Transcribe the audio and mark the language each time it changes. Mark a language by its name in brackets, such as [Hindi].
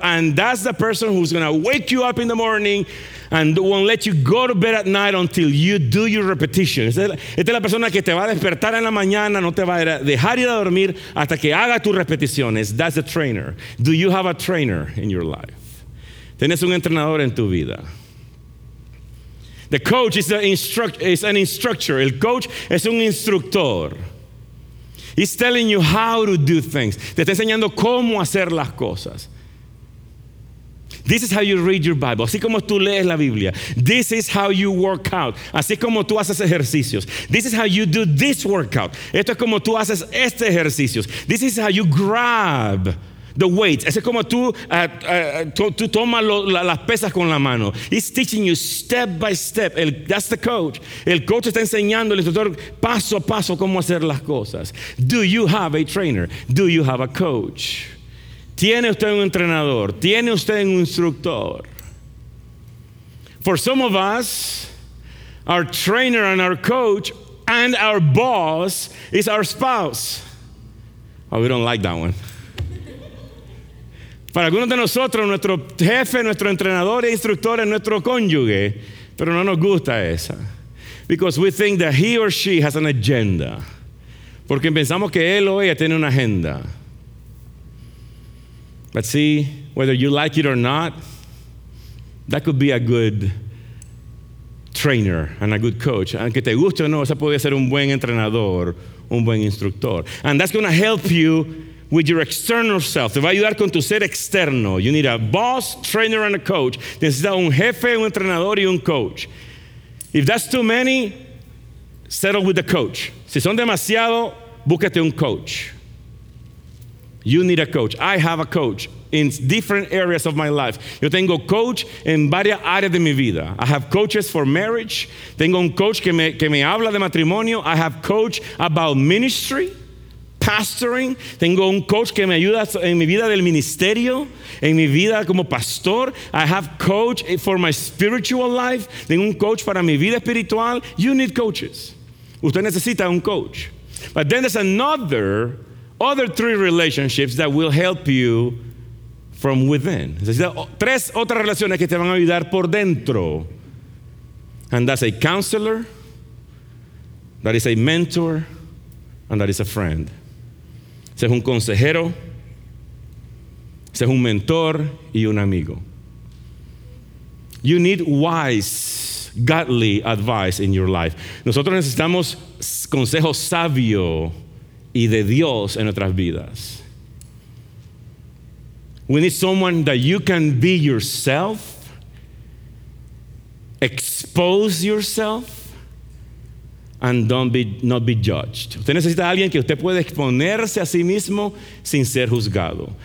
[English] And that's the person who's going to wake you up in the morning and won't let you go to bed at night until you do your repetition. [Spanish] Esta es la persona que te va a despertar en la mañana, no te va a dejar ir a dormir hasta que haga tus repeticiones. [English] That's the trainer. Do you have a trainer in your life? [Spanish] ¿Tienes un entrenador en tu vida? [English] The coach is an instructor. [Spanish] El coach es un instructor. [English] He's telling you how to do things. [Spanish] Te está enseñando cómo hacer las cosas. [English] This is how you read your Bible. [Spanish] Así como tú lees la Biblia. [English] This is how you work out. [Spanish] Así como tú haces ejercicios. [English] This is how you do this workout. [Spanish] Esto es como tú haces este ejercicio. [English] This is how you grab the weight. [Spanish] Es como tú tomas las pesas con la mano. [English] He's teaching you step by step. That's the coach. [Spanish] El coach está enseñando al instructor paso a paso cómo hacer las cosas. [English] Do you have a trainer? Do you have a coach? [Spanish] ¿Tiene usted un entrenador? ¿Tiene usted un instructor? [English] For some of us, our trainer and our coach and our boss is our spouse. Oh, we don't like that one. [Spanish] Para algunos de nosotros, nuestro jefe, nuestro entrenador e instructor es nuestro cónyuge, pero no nos gusta esa. [English] Because we think that he or she has an agenda. [Spanish] Porque pensamos que él o ella tiene una agenda. [English] But see, whether you like it or not, that could be a good trainer and a good coach. [Spanish] Aunque te guste o no, esa puede ser un buen entrenador, un buen instructor. [English] And that's going to help you with your external self. [Spanish] Te va a ayudar con tu ser externo. [English] You need a boss, trainer, and a coach. [Spanish] Necesitas un jefe, un entrenador y un coach. [English] If that's too many, settle with the coach. [Spanish] Si son demasiado, búscate un coach. [English] You need a coach. I have a coach in different areas of my life. [Spanish] Yo tengo coach en varias áreas de mi vida. [English] I have coaches for marriage. [Spanish] Tengo un coach que me habla de matrimonio. [English] I have coach about ministry, pastoring. [Spanish] Tengo un coach que me ayuda en mi vida del ministerio, en mi vida como pastor. [English] I have coach for my spiritual life. [Spanish] Tengo un coach para mi vida espiritual. [English] You need coaches. [Spanish] Usted necesita un coach. [English] But then there's other three relationships that will help you from within. [Spanish] Necesitas tres otras relaciones que te van a ayudar por dentro. [English] And that's a counselor, that is a mentor, and that is a friend. [Spanish] Ese es un consejero, ese es un mentor y un amigo. [English] You need wise, godly advice in your life. [Spanish] Nosotros necesitamos consejo sabio y de Dios en nuestras vidas. [English] We need someone that you can be yourself, expose yourself, and not be judged. [Spanish] Usted necesita alguien que usted pueda exponerse a sí mismo sin ser juzgado.